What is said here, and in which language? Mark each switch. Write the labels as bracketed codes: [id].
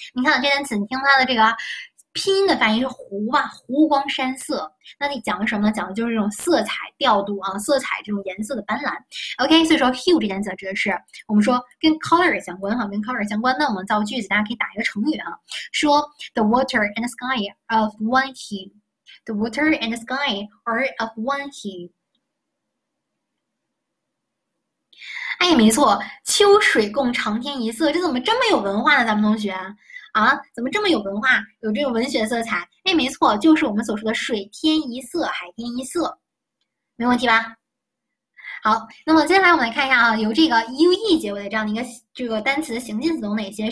[zh] 你看这单词，你听它的这个拼音的发音是湖吧，湖光山色。那你讲的什么呢？讲的就是这种色彩调度啊，色彩这种颜色的斑斓。 OK，所以说 hue 这单词指的是我们说跟 color 相关哈，跟 color 相关。那我们造句子，大家可以打一个成语啊，说 [en] the water and sky of one hue。 The water and the sky are of one hue。 [zh] 哎，没错，秋水共长天一色，这怎么这么有文化呢？咱们同学啊，怎么这么有文化，有这种文学色彩？哎，没错，就是我们所说的水天一色，海天一色，没问题吧？好，那么接下来我们来看一下啊，由这个 ue 结尾的这样的一个这个单词的形近词有哪些？